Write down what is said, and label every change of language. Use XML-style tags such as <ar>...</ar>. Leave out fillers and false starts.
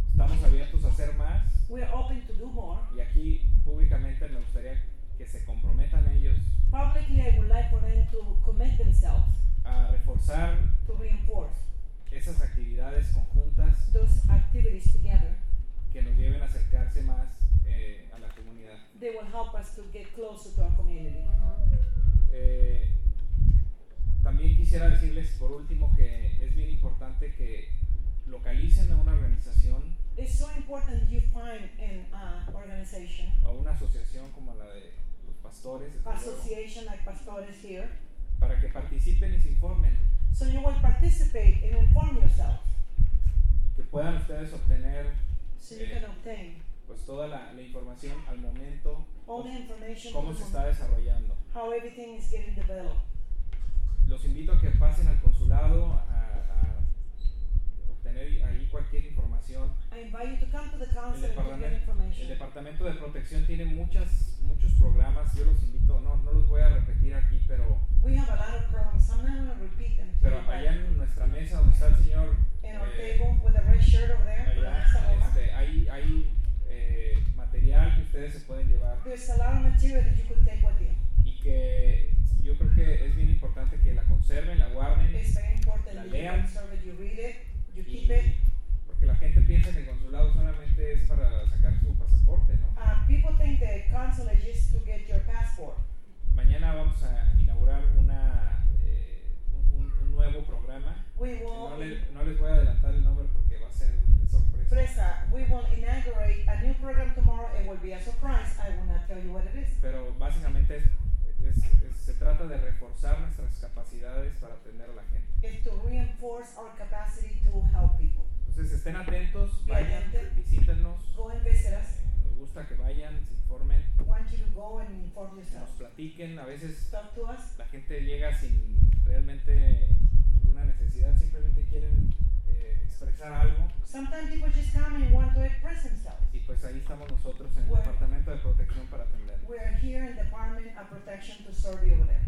<es>Estamos abiertos a hacer más.</es> <en>We are open to do more.</en> <es>Y aquí públicamente me gustaría que se comprometan ellos.</es> <en>Publicly, I would like for them to commit themselves.</en> <es>A reforzar.</es> <en>To reinforce.</en> <es>Esas actividades conjuntas.</es> <en>Those activities together.</en> <es>Que nos lleven a acercarse más a la comunidad.</es> <en>They will help us to get closer to our community.</en> <es>También quisiera decirles por último que es bien importante que localicen a una organización.</es> <en>It's so important you find an organization.</en> <es>O una asociación como la de pastores,</es> <en>association like pastores here,</en> <es>para que participen y se informen.</es> <en>So you will participate and inform yourself.</en> <es>Que puedan ustedes obtener,</es> <en>so you can obtain,</en> <es>pues toda la información al momento,</es> <en>all the information,</en> <es>cómo se está desarrollando,</es> <en>how everything is getting developed.</en> <es>Los invito a que pasen al consulado a obtener ahí cualquier información.</es> <en>I invite you to come to the council and get information.</en> <es>El departamento de protección tiene muchos programas. Yo los invito, no los voy a repetir aquí, pero</es> <en>we have a lot of programs. I'm not going to repeat them.</en> <es>Pero allá en nuestra mesa donde está el señor,</es> <en>in our table with a red shirt over there.</en> <es>Allá, hay material que ustedes se pueden llevar.</es> <en>There's a lot of material that you could take with you.</en> <es>Y que yo creo que es bien importante que la conserven, la guarden,</es> <en>it's very important</en> <es>la</es> <en>that</en> <es>lean,</es> <en>you conserve it, you read it, you keep it.</en> <es>Porque la gente piensa que el consulado solamente es para sacar su pasaporte, ¿no?</es> <en>People think the consulate is to get your passport.</en> <es>Mañana vamos a inaugurar un nuevo programa.</es> <en>We will</en> <es>no les voy a adelantar el nombre porque va a ser sorpresa.</es> <en>Fresa, we will inaugurate a new program tomorrow. It will be a surprise. I will not tell you what it is.</en> <es>Pero básicamente es se trata de reforzar nuestras capacidades para atender a la gente.</es> <en>It's to reinforce our capacity to help people.</en> <es>Entonces estén atentos, vayan, visítenos.</es> <en>Go and visit us.</en> <es>Nos gusta que vayan, se informen.</es> <en>Want you to go and inform yourself.</en> <es>Nos platiquen, a veces</es> <en>talk to us.</en> <es>La gente llega sin realmente una necesidad, simplemente quieren expresar algo.</es> <en>Sometimes people just come and want to express themselves.</en> <es>Y pues ahí estamos nosotros en el departamento de protección para atender.</es> <en>We are here in the Department of Protection to serve you over there.</en>